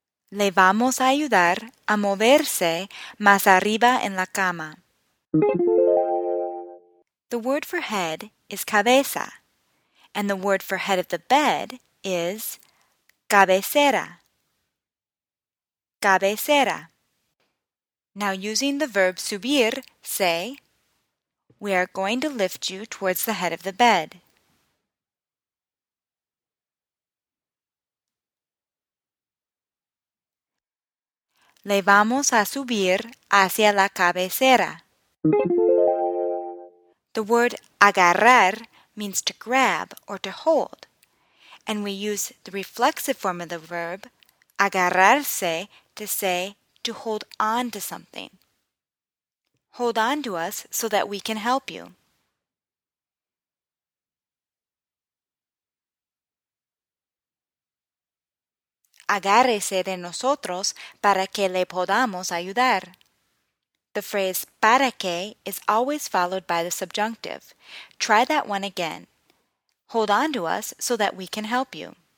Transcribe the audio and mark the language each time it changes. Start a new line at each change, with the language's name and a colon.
Spanish: Le vamos a ayudar a moverse más arriba en la cama.
English: The word for head is cabeza, and the word for head of the bed is cabecera. Cabecera. Now, using the verb subir, say, we are going to lift you towards the head of the bed.
Spanish: Le vamos a subir hacia la cabecera.
English: The word agarrar means to grab or to hold, and we use the reflexive form of the verb agarrarse to say, to hold on to something. Hold on to us so that we can help you.
Spanish: Agárrese de nosotros para que le podamos ayudar.
English: The phrase para que is always followed by the subjunctive. Try that one again. Hold on to us so that we can help you.